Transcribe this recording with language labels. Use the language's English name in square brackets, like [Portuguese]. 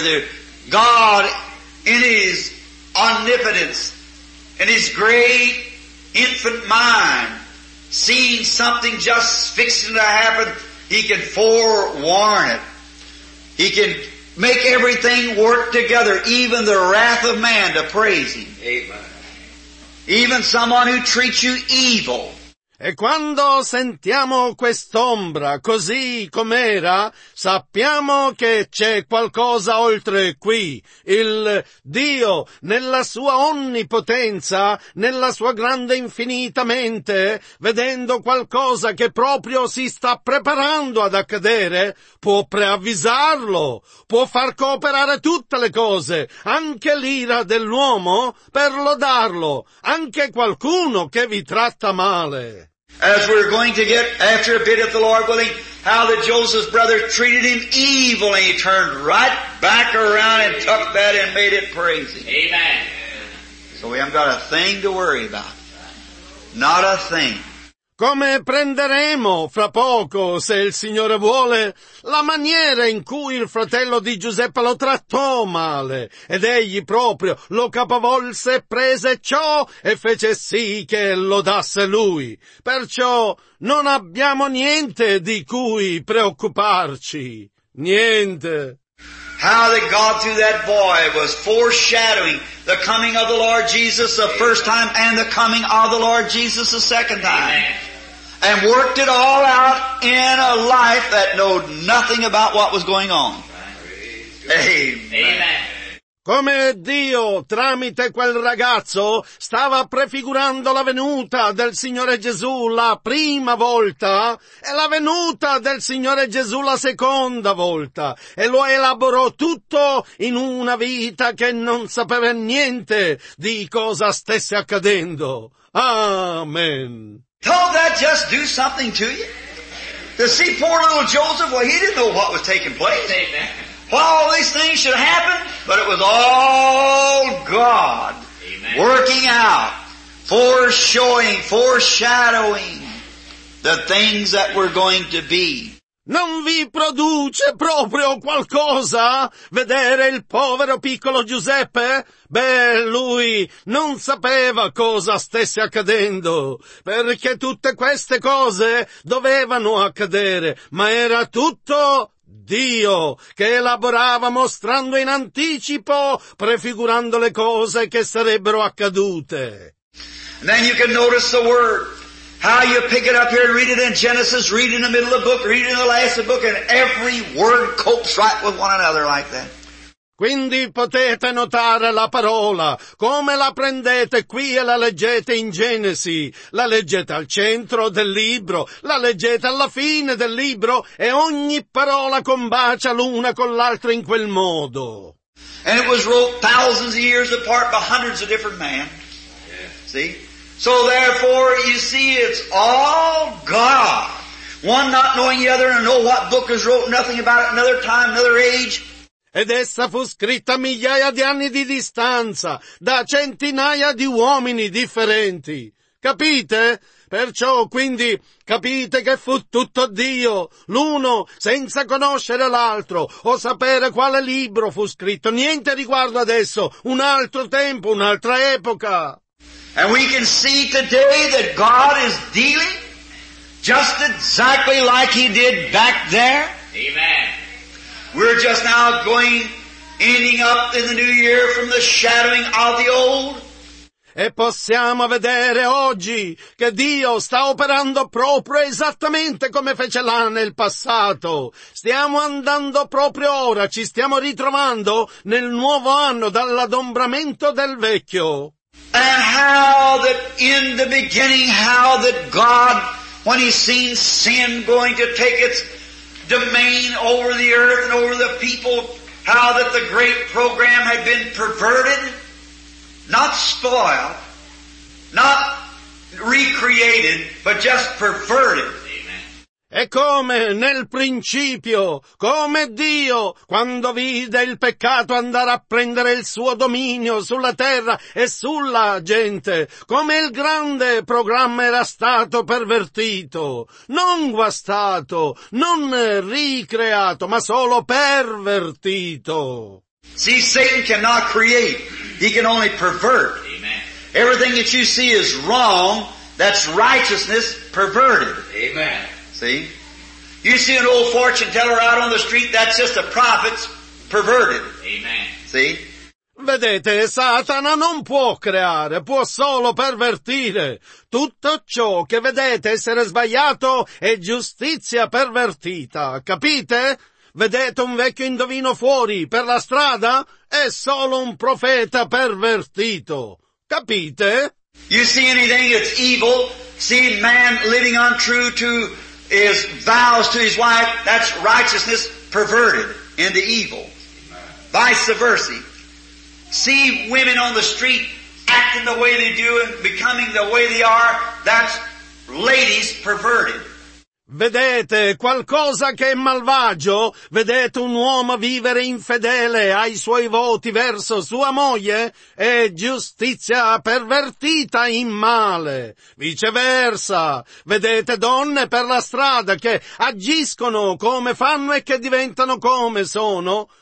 [English] There, God, in His omnipotence, in His great infant mind, seeing something just fixing to happen, he can forewarn it. He can make everything work together, even the wrath of man to praise him. Amen. Even someone who treats you evil. [Italian] E quando sentiamo quest'ombra così com'era, sappiamo che c'è qualcosa oltre qui. Il Dio, nella sua onnipotenza, nella sua grande infinita mente, vedendo qualcosa che proprio si sta preparando ad accadere, può preavvisarlo, può far cooperare tutte le cose, anche l'ira dell'uomo, per lodarlo, anche qualcuno che vi tratta male. [English] As we're going to get after a bit of the Lord willing, how that Joseph's brother treated him evil and he turned right back around and took that and made it praising. Amen. So we haven't got a thing to worry about. Not a thing. [Italian] Come prenderemo fra poco, se il Signore vuole, la maniera in cui il fratello di Giuseppe lo trattò male, ed egli proprio lo capovolse, prese ciò e fece sì che lodasse lui. Perciò non abbiamo niente di cui preoccuparci. Niente. [English] How that God through that boy was foreshadowing the coming of the Lord Jesus the first time and the coming of the Lord Jesus the second time. Amen. And worked it all out in a life that knowed nothing about what was going on. Amen. Amen. [Italian] Come Dio, tramite quel ragazzo, stava prefigurando la venuta del Signore Gesù la prima volta e la venuta del Signore Gesù la seconda volta, e lo elaborò tutto in una vita che non sapeva niente di cosa stesse accadendo. [English] Amen. Don't that just do something to you? To see poor little Joseph, well, he didn't know what was taking place. Amen. Why all these things should happen, but it was all God. Amen. Working out, foreshowing, foreshadowing the things that were going to be. [Italian] Non vi produce proprio qualcosa vedere il povero piccolo Giuseppe? Beh, lui non sapeva cosa stesse accadendo, perché tutte queste cose dovevano accadere, ma era tutto Dio che elaborava mostrando in anticipo, prefigurando le cose che sarebbero accadute. [English] And then you can notice the word. How you pick it up here and read it in Genesis, read it in the middle of the book, read it in the last of the book, and every word copes right with one another like that. [Italian] Quindi potete notare la parola, come la prendete qui e la leggete in Genesi, la leggete al centro del libro, la leggete alla fine del libro, e ogni parola combacia l'una con l'altra in quel modo. [English] And it was wrote thousands of years apart by hundreds of different men. See? So therefore, you see, it's all God. One not knowing the other, and know what book is wrote, nothing about it, another time, another age. [Italian] Ed essa fu scritta migliaia di anni di distanza, da centinaia di uomini differenti. Capite? Perciò, quindi, capite che fu tutto Dio, l'uno senza conoscere l'altro, o sapere quale libro fu scritto. Niente riguardo adesso, un altro tempo, un'altra epoca. [English] And we can see today that God is dealing just exactly like He did back there. Amen. We're just now going, ending up in the new year from the shadowing of the old. [Italian] E possiamo vedere oggi che Dio sta operando proprio esattamente come fece là nel passato. Stiamo andando proprio ora, ci stiamo ritrovando nel nuovo anno dall'adombramento del vecchio. [English] And how that in the beginning, how that God, when He seen sin going to take its domain over the earth and over the people, how that the great program had been perverted, not spoiled, not recreated, but just perverted. [Italian] E come nel principio, come Dio, quando vide il peccato andare a prendere il suo dominio sulla terra e sulla gente, come il grande programma era stato pervertito, non guastato, non ricreato, ma solo pervertito. [English] See, Satan cannot create, he can only pervert. Amen. Everything that you see is wrong, That's righteousness perverted. Amen. See? You see an old fortune teller out on the street, that's just a prophet's perverted. Amen. See? [Italian] Vedete, Satana non può creare, può solo pervertire. Tutto ciò che vedete essere sbagliato è giustizia pervertita, capite? Vedete un vecchio indovino fuori, per la strada? È solo un profeta pervertito, capite? [English] You see anything that's evil? See man living untrue to his vows to his wife? That's righteousness perverted into evil. Vice versa. See women on the street acting the way they do and becoming the way they are, that's ladies perverted. [Italian] Vedete qualcosa che è malvagio? Vedete un uomo vivere infedele ai suoi voti verso sua moglie? È giustizia pervertita in male. Viceversa, vedete donne per la strada che agiscono come fanno e che diventano come sono?